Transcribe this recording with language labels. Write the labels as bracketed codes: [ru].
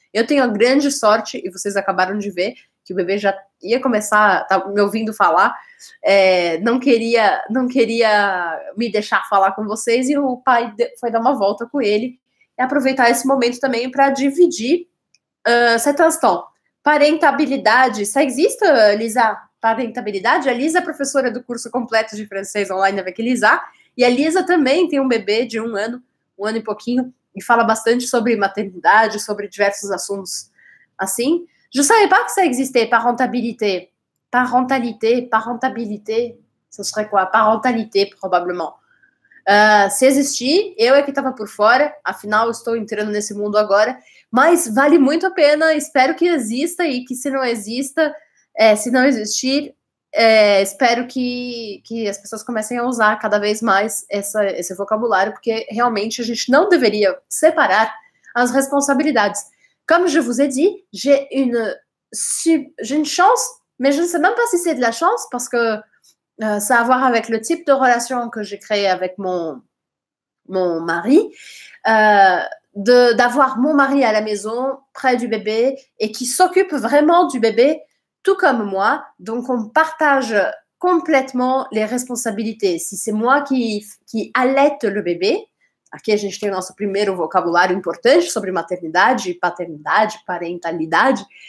[pt] Eu tenho a grande sorte, e vocês acabaram de ver, que o bebê já ia começar, tá me ouvindo falar, não queria me deixar falar com vocês, e o pai foi dar uma volta com ele, e aproveitar esse momento também para dividir certas tópicas. Parentabilidade, isso existe, Lisa? Parentabilidade? A Lisa é professora do curso completo de francês online, vai que Lisa. E a Lisa também tem um bebê de um ano e pouquinho, e fala bastante sobre maternidade, sobre diversos assuntos assim. [fr] Je savais pas que ça existait, parentabilité. Parentalité, parentabilité, ce serait quoi? Parentalité, probablement. [pt] Se existir, eu é que estava por fora, afinal, estou entrando nesse mundo agora. Mas vale muito a pena, espero que exista, e que se não exista, se não existir, espero que as pessoas comecem a usar cada vez mais esse vocabulário, porque realmente a gente não deveria separar as responsabilidades. [fr] Comme je vous ai dit, j'ai une chance, mais je ne sais même pas si c'est de la chance, parce que ça a à voir avec le type de relation que j'ai créé avec mon mari, d'avoir mon mari à la maison, près du bébé, et qui s'occupe vraiment du bébé, tout comme moi. Donc, on partage complètement les responsabilités. Si c'est moi qui allaite le bébé, [pt] aqui a gente tem o nosso primeiro vocabulário importante sobre maternidade, paternidade, parentalidade.